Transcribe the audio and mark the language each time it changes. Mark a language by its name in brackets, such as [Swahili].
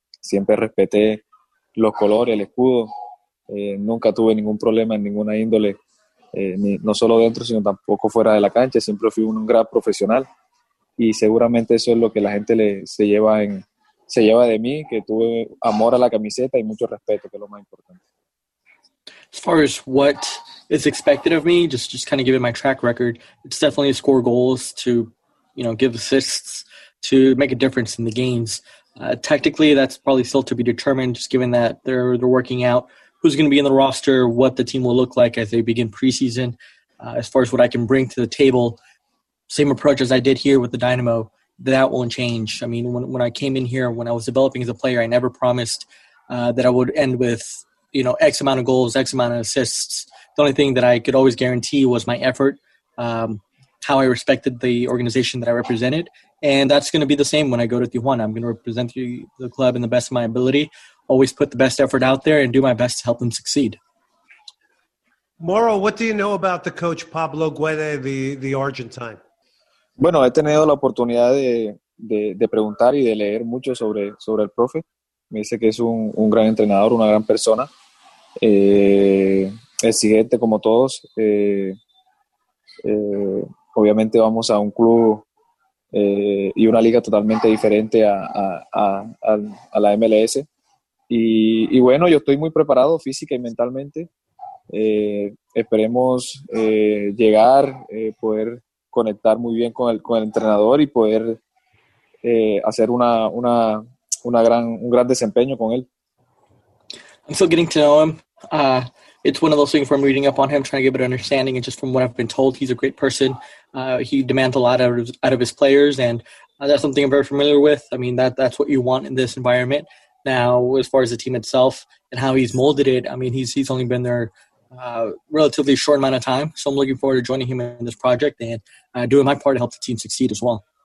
[Spanish] Siempre respeté los colores, el escudo, nunca tuve ningún problema en ninguna índole, no solo dentro sino tampoco fuera de la cancha. Siempre fui un gran profesional y seguramente eso es lo que la gente se lleva de mí, que tuve amor a la camiseta y mucho respeto, que es lo más importante. [English] As far as what is expected of me, just kind of given my track record, it's definitely score goals to, you know, give assists, to make a difference in the games. Tactically, that's probably still to be determined, just given that they're working out who's going to be in the roster, what the team will look like as they begin preseason. As far as what I can bring to the table, same approach as I did here with the Dynamo, that won't change. I mean, when I came in here, when I was developing as a player, I never promised that I would end with, you know, X amount of goals, X amount of assists. The only thing that I could always guarantee was my effort, how I respected the organization that I represented. And that's going to be the same when I go to Tijuana. I'm going to represent the club in the best of my ability, always put the best effort out there and do my best to help them succeed. Mauro, what do you know about the coach Pablo Guede, the Argentine? [Spanish] Bueno, he tenido la oportunidad de preguntar y de leer mucho sobre el profe. Me dice que es un gran entrenador, una gran persona. Exigente como todos. Obviamente vamos a un club y una liga totalmente diferente a la MLS. Y bueno, yo estoy muy preparado física y mentalmente. Esperemos llegar, poder conectar muy bien con el entrenador y poder hacer un gran desempeño con él. [English] I'm still getting to know him. It's one of those things from reading up on him, trying to get a better understanding, and just from what I've been told, he's a great person. He demands a lot out of his players, and that's something I'm very familiar with. I mean, that's what you want in this environment. Now, as far as the team itself and how he's molded it, I mean, he's only been there relatively short amount of time, so I'm looking forward to joining him in this project and doing my part to help the team succeed as well.